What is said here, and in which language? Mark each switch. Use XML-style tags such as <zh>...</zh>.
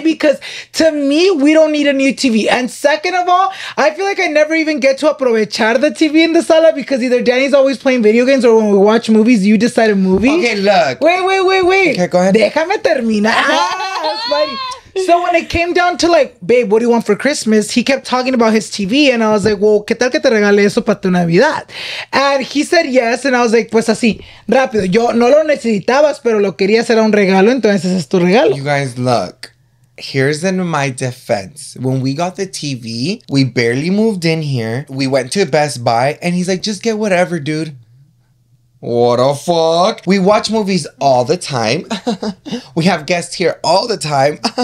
<en>Because to me, we don't need a new TV. And second of all, I feel like I never even get to</en> <es>aprovechar</es> <en>the TV in the sala because either Danny's always playing video games or when we watch movies, you decide a movie. Okay, look. Wait. Okay, go ahead.</en> <es>Déjame terminar.</es> <en>Ah, that's funny. So when it came down to, like, babe, what do you want for Christmas? He kept talking about his TV and I was like, well,</en> <es>¿qué tal que te regale eso para tu Navidad?</es> <en>And he said yes. And I was like,</en> <es>pues así, rápido. Yo no lo necesitabas, pero lo quería hacer un regalo. Entonces es tu regalo.</es> <en>You guys, look. Here's in my defense. When we got the TV, we barely moved in here. We went to Best Buy and he's like, just get whatever, dude. What the fuck? We watch movies all the time. We have guests here all the time.</en>